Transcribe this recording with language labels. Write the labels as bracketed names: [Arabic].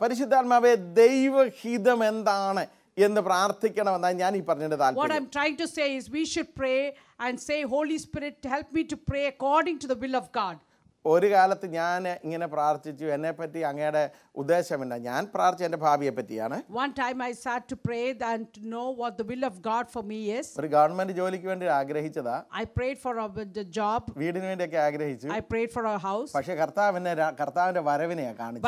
[Malayalam] പരിശുദ്ധാത്മാവേ ദൈവഹിതം എന്താണ് എന്ന് പ്രാർത്ഥിക്കണമെന്നാണ് ഞാൻ ഈ പറഞ്ഞതിന്റെ താല്പര്യം. [English] What I'm trying to say is we should pray and say, Holy Spirit, help me to pray according to the will of God. [Malayalam] ഒരു കാലത്ത് ഞാൻ ഇങ്ങനെ പ്രാർത്ഥിച്ചു, എന്നെ പറ്റി അങ്ങയുടെ ഉദ്ദേശം എന്താ? ഞാൻ പ്രാർത്ഥിച്ച എന്റെ ഭാവിയെ പറ്റിയാണ്. [English] One time I sat to pray and to know what the will of God for me is. [Malayalam] ഒരു ഗവൺമെന്റ് ജോലിക്ക് വേണ്ടി ആഗ്രഹിച്ചതാ. [English] I prayed for the job. [Malayalam] വീടിന് വേണ്ടിയൊക്കെ ആഗ്രഹിച്ചു. [English] I prayed for a house. [Malayalam] പക്ഷേ കർത്താവിന്റെ വരവിനെയാണ് കാണിച്ചത്.